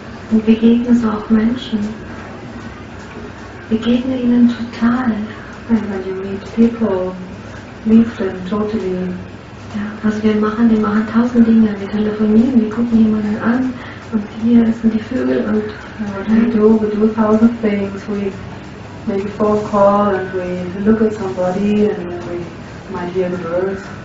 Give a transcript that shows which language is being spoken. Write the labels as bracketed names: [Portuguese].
[German] Und begegne so auch Menschen. Begegne ihnen total. [English] And when you meet people, leave them totally. [German] Ja, was wir machen tausend Dinge. Wir telefonieren, wir gucken jemanden an und hier sind die Vögel und [English] We do a thousand things. We make a phone call and we look at somebody and then we might hear the birds.